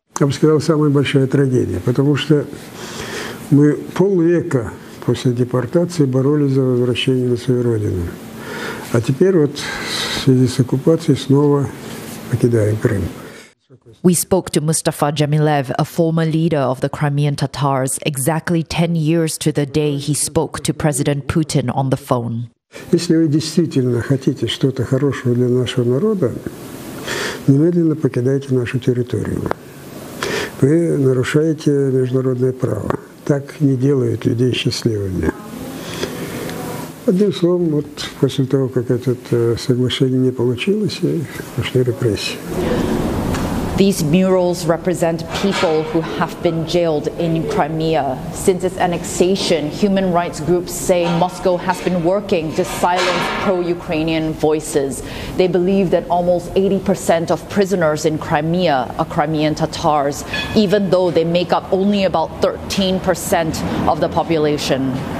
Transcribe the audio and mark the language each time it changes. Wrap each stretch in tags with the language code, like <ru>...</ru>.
<en>I would say the biggest tragedy, because we half a century after deportation fought for the return to their home. And now, with the occupation, we again Crimea. We spoke to Mustafa Jamilev, a former leader of the Crimean Tatars, exactly 10 years to the day he spoke to President Putin on the phone.</en> <ru>Если вы действительно хотите что-то хорошего для нашего народа, немедленно покидайте нашу территорию. Вы нарушаете международное право. Так не делают людей счастливыми. Одним словом, вот после того, как это соглашение не получилось, пошли репрессии.</ru> <en>These murals represent people who have been jailed in Crimea. Since its annexation, human rights groups say Moscow has been working to silence pro-Ukrainian voices. They believe that almost 80% of prisoners in Crimea are Crimean Tatars, even though they make up only about 13% of the population.</en>